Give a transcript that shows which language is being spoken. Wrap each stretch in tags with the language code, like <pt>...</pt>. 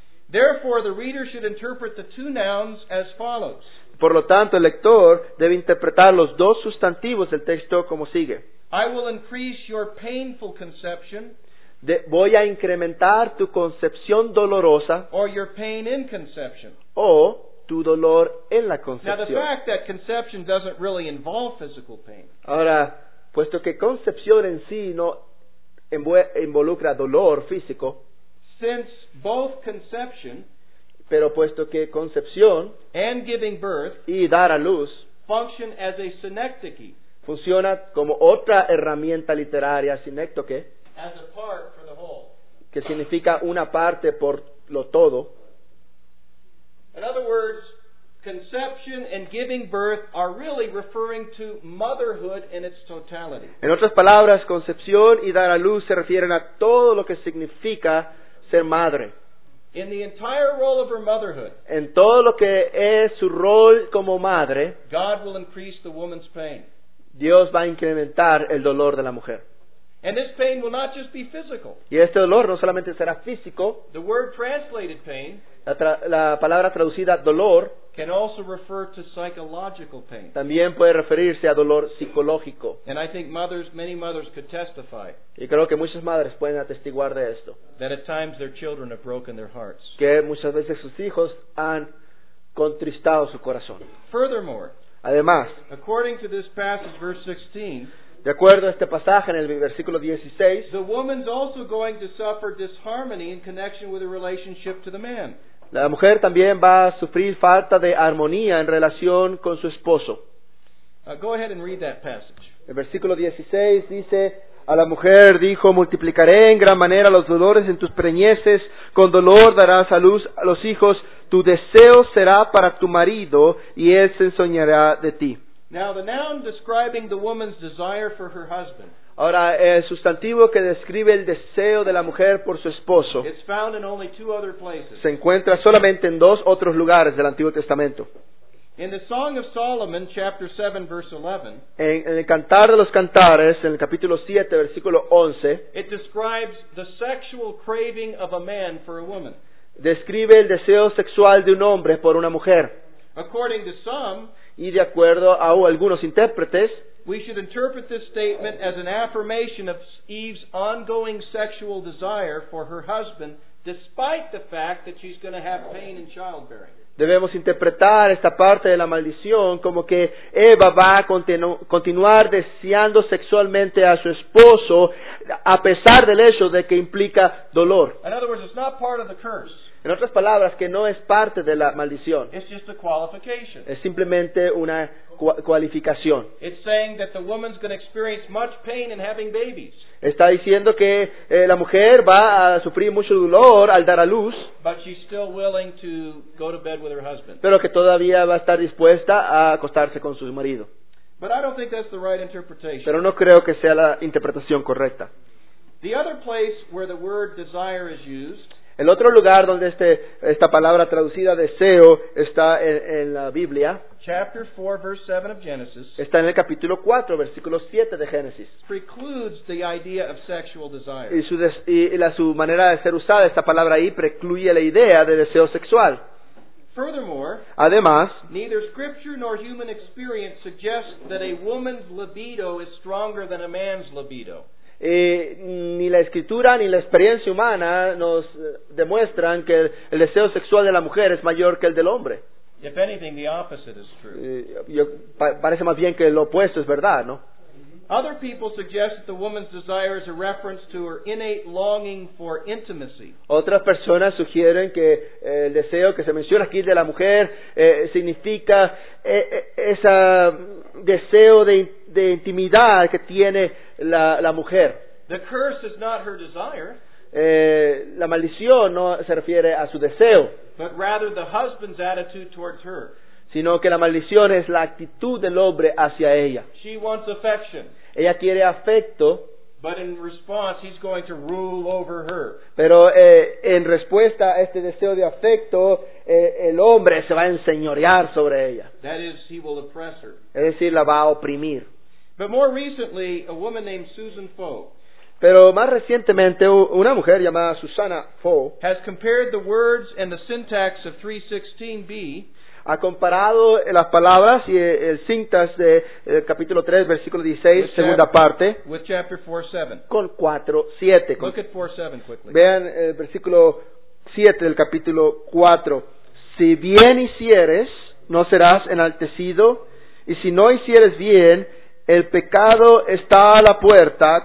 <en>Therefore, the reader should interpret the two nouns as follows.</en> <es>Por lo tanto, el lector debe interpretar los dos sustantivos del texto como sigue.</es> <en>I will increase your painful conception.</en> <es>Voy a incrementar tu concepción dolorosa.</es> <en>Or your pain in conception.</en> <es>O tu dolor en la concepción.</es> <en>Now, the fact that conception doesn't really involve physical pain.</en> <es>Ahora, puesto que concepción en sí no involucra dolor físico.</es> <en>Since both conception.</en> <es>Pero puesto que concepción</es> <en>and giving birth</en> <es>y dar a luz</es> <en>function as a synecdoche,</en> <es>funciona como otra herramienta literaria synecdoche,</es> <en>as a part for the whole,</en> <es>que significa una parte por lo todo.</es> <en>In other words, conception and giving birth are really referring to motherhood in its totality.</en> <es>En otras palabras, concepción y dar a luz se refieren a todo lo que significa ser madre.</es> <en>In the entire role of her motherhood,</en> <es>en todo lo que es su rol como madre,</es> <en>God will increase the woman's pain.</en> <es>Dios va a incrementar el dolor de la mujer.</es> <en>And this pain will not just be physical.</en> <es>Y este dolor no solamente será físico.</es> <en>The word translated pain,</en> <es>la palabra traducida dolor,</es> <en>can also refer to psychological pain.</en> <es>También puede referirse a dolor psicológico.</es> <en>And I think mothers, many mothers could testify.</en> <es>Y creo que muchas madres pueden atestiguar de esto.</es> <en>That at times their children have broken their hearts.</en> <es>Que muchas veces sus hijos han contristado su corazón.</es> <en>Furthermore,</en> <es>además,</es> <en>according to this passage, verse 16,</en> <es>de acuerdo a este pasaje en el versículo 16,</es> <en>the woman's also going to suffer disharmony in connection with her relationship to the man.</en> <es>La mujer también va a sufrir falta de armonía en relación con su esposo.</es> <en>Go ahead and read that passage.</en> <es>El versículo 16 dice, a la mujer dijo, multiplicaré en gran manera los dolores en tus preñeces, con dolor darás a luz a los hijos, tu deseo será para tu marido y él se ensoñará de ti.</es> <en>Now the noun describing the woman's desire for her husband.</en> <es>Ahora, el sustantivo que describe el deseo de la mujer por su esposo,</es> <en>it's found in only two other places.</en> <es>Se encuentra solamente en dos otros lugares del Antiguo Testamento.</es> <en>In the Song of Solomon, chapter 7, verse 11,</en> <es>en el Cantar de los Cantares, en el capítulo 7, versículo 11,</es> <en>it describes the sexual craving of a man for a woman.</en> <es>Describe el deseo sexual de un hombre por una mujer.</es> <en>According to some,</en> <es>y de acuerdo a algunos intérpretes,</es> <en>we should interpret this statement as an affirmation of Eve's ongoing sexual desire for her husband, despite the fact that she's going to have pain in childbearing.</en> <es>Debemos interpretar esta parte de la maldición como que Eva va a continuar deseando sexualmente a su esposo a pesar del hecho de que implica dolor.</es> <en>In other words, it's not part of the curse.</en> <es>En otras palabras, que no es parte de la maldición.</es> <en>It's just a qualification.</en> <es>Es simplemente una cualificación.</es> <en>It's saying that the woman's going to experience much pain in having babies.</en> <es>Está diciendo que la mujer va a sufrir mucho dolor al dar a luz.</es> <en>But she's still willing to go to bed with her husband.</en> <es>Pero que todavía va a estar dispuesta a acostarse con su marido.</es> <en>But I don't think that's the right interpretation.</en> <es>Pero no creo que sea la interpretación correcta.</es> <en>The other place where the word desire is used.</en> <es>El otro lugar donde esta palabra traducida deseo está en la Biblia.</es> <en>Chapter 4, verse 7 of Genesis.</en> <es>Está en el capítulo 4, versículo 7 de Génesis.</es> <en>Precludes the idea of sexual desire.</en> <es>Y su manera de ser usada, esta palabra ahí, precluye la idea de deseo sexual.</es> <en>Furthermore,</en> <es>además,</es> <en>neither scripture nor human experience suggests that a woman's libido is stronger than a man's libido.</en> <es>Ni la escritura ni la experiencia humana nos demuestran que el deseo sexual de la mujer es mayor que el del hombre.</es> <en>If anything, the opposite is true.</en> <es>Parece más bien que lo opuesto es verdad, ¿no?</es> <en>Other people suggest that the woman's desire is a reference to her innate longing for intimacy.</en> <es>Otras personas sugieren que el deseo que se menciona aquí de la mujer significa ese deseo de intimidad que tiene la mujer.</es> <en>The curse is not her desire.</en> <es>La maldición no se refiere a su deseo,</es> <en>but rather the husband's attitude towards her.</en> <es>Sino que la maldición es la actitud del hombre hacia ella.</es> <en>She wants affection.</en> <es>Ella quiere afecto,</es> <en>but in response, he's going to rule over her.</en> <es>Pero en respuesta a este deseo de afecto, el hombre se va a enseñorear sobre ella.</es> <en>That is, he will oppress her.</en> <es>Es decir, la va a oprimir.</es> <en>But more recently, a woman named Susan Foe.</en> <es>Pero más recientemente, una mujer llamada Susana Foe</es> <en>has compared the words and the syntax of 3:16b.</en> <es>Ha comparado las palabras y el sintas de el capítulo 3, versículo 16,</es> <en>with</en> <es>segunda parte,</es> <en>with chapter 4:7.</en> <es>Con 4:7.</es> <en>Look at 4:7 quickly.</en> <es>Vean el versículo 7 del capítulo 4. Si bien hicieres, no serás enaltecido, y si no hicieres bien, el pecado está a la puerta.</es>